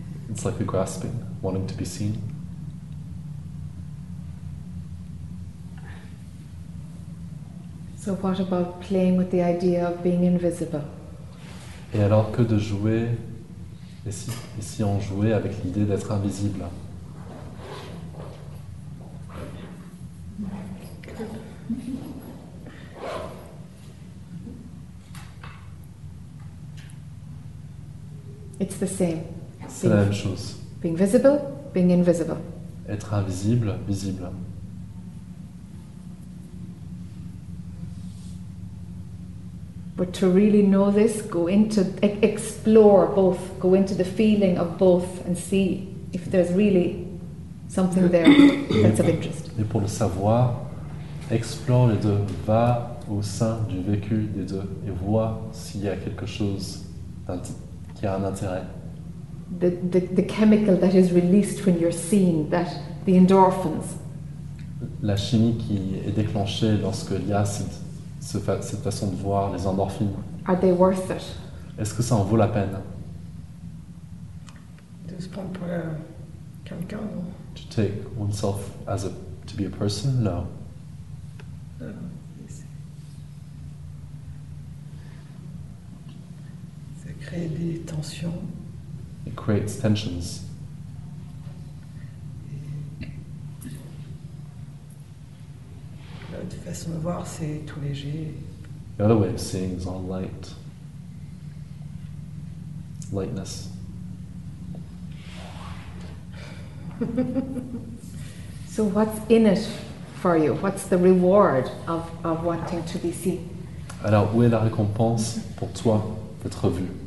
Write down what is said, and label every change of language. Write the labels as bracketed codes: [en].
[en] It's like a grasping, wanting to be seen. So what about playing with the idea of being invisible? [fr] Et alors que de jouer. Et si on jouait avec l'idée d'être invisible? [en] It's the same. [fr] C'est la même chose. [en] Being visible, being invisible. [fr] Être invisible, visible. [en] But to really know this, go into, explore both, go into the feeling of both and see if there's really something there that's of interest. [fr] Mais pour le savoir, explore les deux, va au sein du vécu des deux et vois s'il y a quelque chose qui a un intérêt. [en] The chemical that is released when you're seen, that the endorphins. [fr] La chimie qui est déclenchée lorsque il y a cette façon de voir les endorphines. [en] Are they worth it? [fr] Est-ce que ça en vaut la peine? De se prendre pour quelqu'un, non? [en] To take oneself as a to be a person, no. [fr] C'est crée des tensions. [en] It creates tensions. [fr] L'autre façon de voir, c'est tout léger. [en] The other way of seeing is all light. Lightness. So what's in it for you? What's the reward of wanting to be seen? [fr] Alors, où est la récompense pour toi d'être vu?